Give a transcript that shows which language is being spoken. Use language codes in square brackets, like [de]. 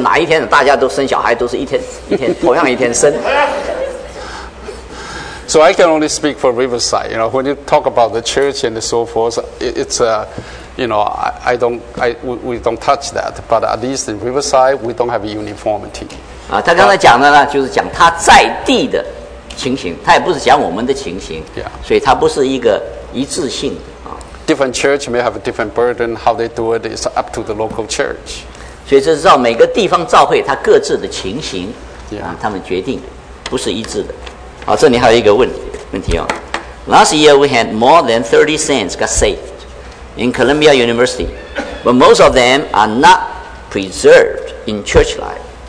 [zh] 所以有的小牌啊，要传福音啊这些，那其实这个它不是能够统筹的，不是一致性的，就每个人呢，他的环境不一样，有的人他参观开餐馆，有的人呢护士做夜班，他不可能呢同时间聚会或者星期五或者星期二或者其他的时间，所以这些呢都需要有弹性的，照着这个每个人的情形，每个这个小牌的情形，所以它不是统筹的，所以这个就是为什么需要有弹性，但是负担呢，就是说有的小牌呢都需要结果子传福音，带人得救，不是说大家都要哪一天大家都结果子，不是说哪一天大家都生小孩都是一天同样一天生。 [en] So I can only speak for Riverside, you know, when you talk about the church and so forth, we don't touch that, but at least in Riverside, we don't have a uniformity. [zh] 他刚才讲的呢，就是讲他在地的情形，他也不是讲我们的情形， [en] yeah. [zh] 所以他不是一个一致性的。 [en] Different church may have a different burden, how they do it is up to the local church. [zh] 所以这是照每个地方召会他各自的情形， [en] yeah. [zh] 他们决定不是一致的。这里还有一个问题啊。 [en] Last year we had more than 30 saints got saved in Columbia University, but most of them are not preserved in church life.